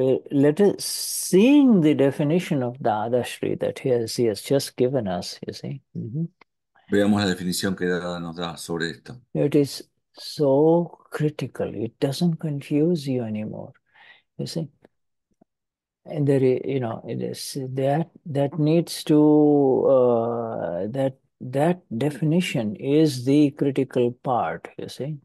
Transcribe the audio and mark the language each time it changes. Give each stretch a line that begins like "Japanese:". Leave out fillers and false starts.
English: Let us seeing the definition of the Dadashri that he has just given us, you see.
Spanish: Veamos la definición que Dada nos da sobre esto.
English: It is so critical, it doesn't confuse you anymore, you see. And that needs to that definition is the critical part, you see.